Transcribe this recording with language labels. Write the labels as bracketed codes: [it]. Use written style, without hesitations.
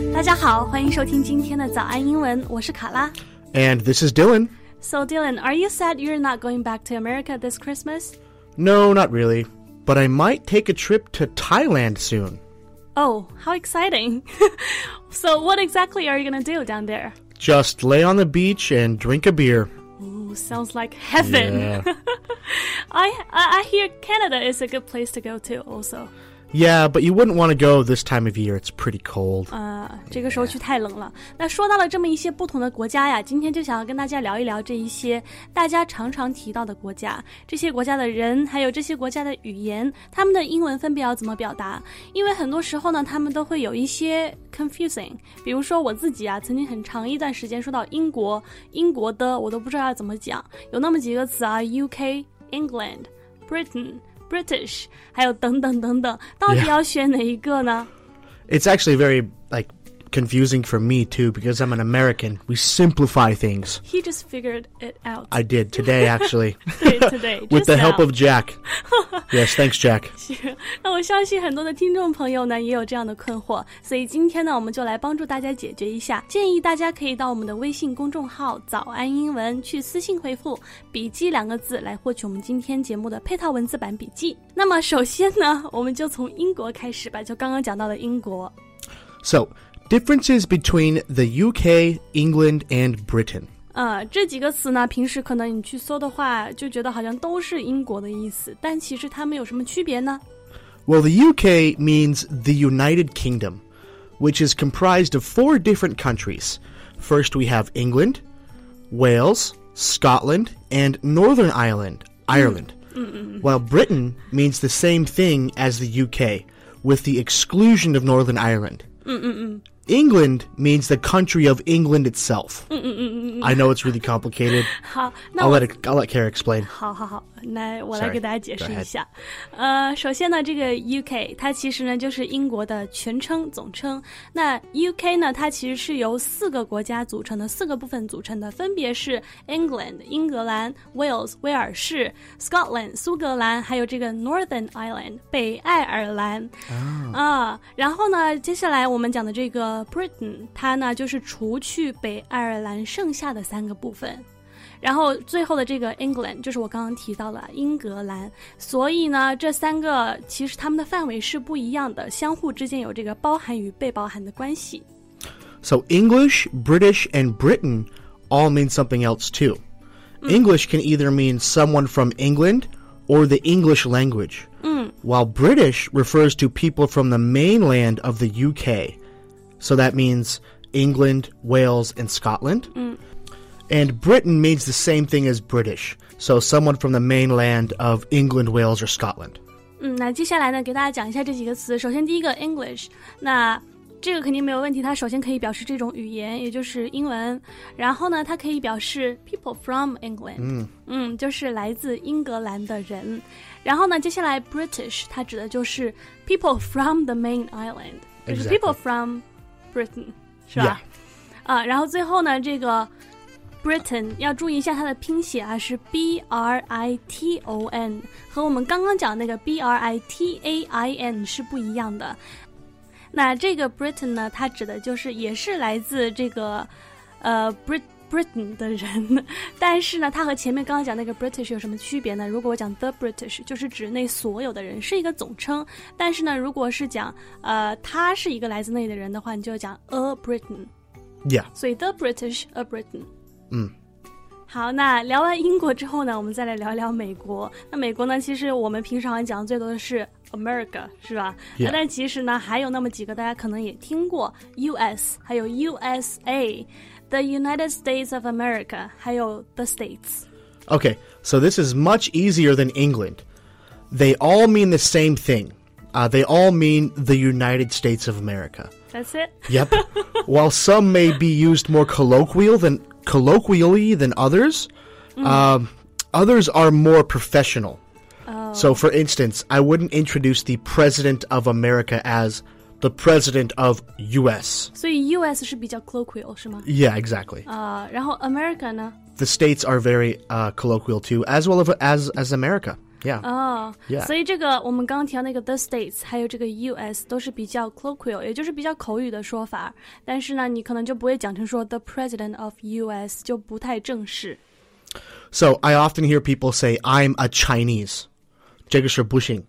[zh] 家好，欢迎收听今天的早安英文，我是卡拉。 [en] And this is Dylan. So Dylan, are you sad you're not going back to America this Christmas? No, not really. But I might take a trip to Thailand soon. Oh, how exciting. So what exactly are you going to do down there? Just lay on the beach and drink a beer. Ooh, sounds like heaven. Yeah. I hear Canada is a good place to go to also. Yeah, but you wouldn't want to go this time of year. It's pretty cold. [zh] 这个时候去太冷了。那说到了这么一些不同的国家呀，今天就想要跟大家聊一聊这一些大家常常提到的国家，这些国家的人，还有这些国家的语言，他们的英文分别要怎么表达？因为很多时候呢，他们都会有一些 confusing。比如说我自己啊，曾经很长一段时间说到英国的，我都不知道要怎么讲。有那么几个词啊 ，UK, England, Britain. British, 还有等等等等，到底要选哪一个呢、 [en] yeah. It's actually very, like, confusing for me, too, because I'm an American. We simplify things. He just figured it out. I did, today, actually. [zh] 对, today, [en] With the、 now. Help of Jack. Yes, thanks, Jack. [zh] 那我相信很多的听众朋友呢也有这样的困惑，所以今天呢我们就来帮助大家解决一下。建议大家可以到我们的微信公众号早安英文去私信回复笔记两个字来获取我们今天节目的配套文字版笔记。那么首先呢我们就从英国开始吧，就刚刚讲到的英国。 [en] So, differences between the UK, England and Britain. [zh] 这几个词呢平时可能你去搜的话就觉得好像都是英国的意思，但其实它们有什么区别呢？ [en] Well, the UK means the United Kingdom, which is comprised of four different countries. First, we have England, Wales, Scotland, and Northern Ireland, Ireland. While Britain means the same thing as the UK, with the exclusion of Northern Ireland. England means the country of England itself. I know it's really complicated. [zh] 好，那 [en] I'll let Kara explain. [zh] 好好好，那我来给大家解释一下。首先呢，这个 UK 它其实呢就是英国的全称总称。那 UK 呢，它其实是由四个国家组成的，四个部分组成的，分别是 England 英格兰、Wales 威尔士、Scotland 苏格兰，还有这个 Northern Ireland 北爱尔兰。然后呢，接下来我们讲的这个。Britain 它呢就是除去北爱尔兰剩下的三个部分，然后最后的这个 England 就是我刚刚提到了英格兰，所以呢这三个其实它们的范围是不一样的，相互之间有这个包含与被包含的关系。 [en] So English, British and Britain all mean something else too. English can either mean someone from England or the English language, while British refers to people from the mainland of the UKSo that means England, Wales, and Scotland. And Britain means the same thing as British. So someone from the mainland of England, Wales, or Scotland. [zh] 那接下来呢，给大家讲一下这几个词。首先第一个 English, 那这个肯定没有问题，它首先可以表示这种语言，也就是英文。然后呢，它可以表示 [en] people from England, [zh] 就是来自英格兰的人。然后呢，接下来 British, 它指的就是 [en] people from the main island, [zh] 就是 [en] people from... [zh] Britain, 是吧？ [en] Yeah. [zh] 然后最后呢，这个 Britain 要注意一下它的拼写啊，是 B R I T O N， 和我们刚刚讲那个 B R I T A I N 是不一样的。那这个 Britain 呢，它指的就是也是来自这个Britain 的人，但是呢，它和前面刚刚讲那个 British 有什么区别呢？如果我讲 [en] the British， [zh] 就是指那所有的人，是一个总称。但是呢，如果是讲他是一个来自那里的人的话，你就讲 [en] a Britain。 Yeah。 [zh] 所以 [en] the British a Britain。嗯。 [zh] 好，那聊完英国之后呢，我们再来聊聊美国。那美国呢，其实我们平常讲最多的是 America， 是吧？ [en] Yeah. [zh] 但其实呢，还有那么几个大家可能也听过 US， 还有 USA。 [en] The United States of America, [zh] 还有 [en] the states. Okay, so this is much easier than England. They all mean the same thing. They all mean the United States of America. That's it? Yep. While some may be used more colloquially than others, others are more professional. So for instance, I wouldn't introduce the President of America as... The president of U.S. So U.S. [zh] 是比较 colloquial, 是吗? [en] Yeah, exactly. [zh] 然后 America 呢? [en] The states are very colloquial too, as well as America. Yeah. Oh, yeah. [zh] 所以这个我们刚提到那个 [en] the states [zh] 还有这个 US 都是比较 colloquial 也就是比较口语的说法但是呢你可能就不会讲成说 [en] the president of US [zh] 就不太正式 [en] So I often hear people say I'm a Chinese [zh] 这个是不行